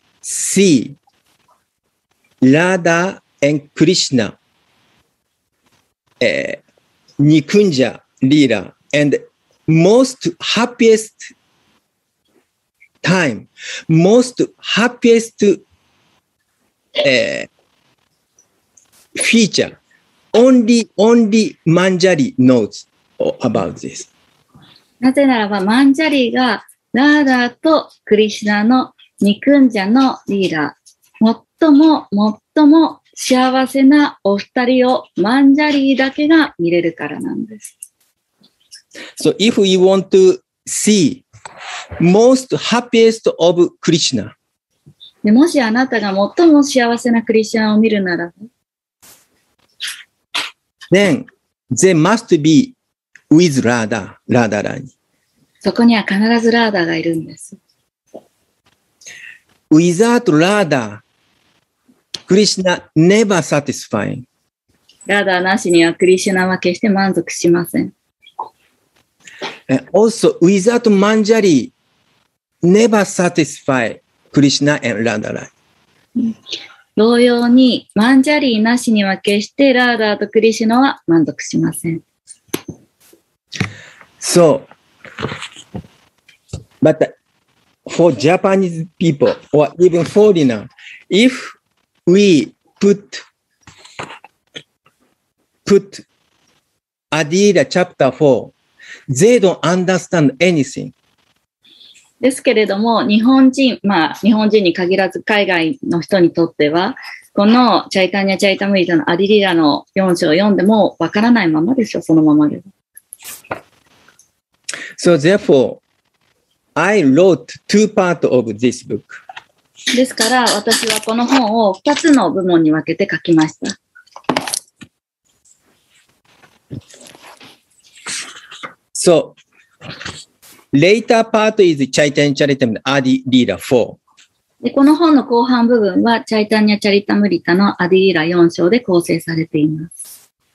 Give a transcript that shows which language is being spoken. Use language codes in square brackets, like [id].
[en] See Radha and Krishna, Nikunja Leela and most happiest time, most happiest feature. Only Manjari knows about this. [ja] なぜならば、マンジャリがラーダとクリシュナのニクンジャのリーダー、最も幸せなお二人をマンジャリーだけが見れるからなんです。 [en] So if you want to see most happiest of Krishna, [ja] でもしあなたが最も幸せなクリシュナを見るなら、 [en] then they must be with Radha, Radha Rani. [ja] そこには必ずラーダーがいるんです。 [en] Without Radha, Krishna never satisfying. [ja] Radha なしにはクリシュナは決して満足しません。 [en] Also, without Manjari, never satisfy Krishna and Radharani. [ja] 同様に、マンジャリなしには決してラーダとクリシュナは満足しません。 [en] So, but. For Japanese people or even foreigner, if we put Adilila chapter 4, they don't understand anything. [ja] ですけれども、日本人、まあ、日本人に限らず海外の人にとっては、このチャイタニャ・チャイタムリタのアディリラの4章を読んでもわからないままでしょ、そのままで。 [en] So therefore,I wrote two parts of this book. [ja] ですから私はこの本を2つの部門に分けて書きました。 [en] So, later part is Chaitanya Charitamrita Adilila 4. [ja] で、この本の後半部分は Chaitanya Charitamrita の Adilila 4章で構成されています。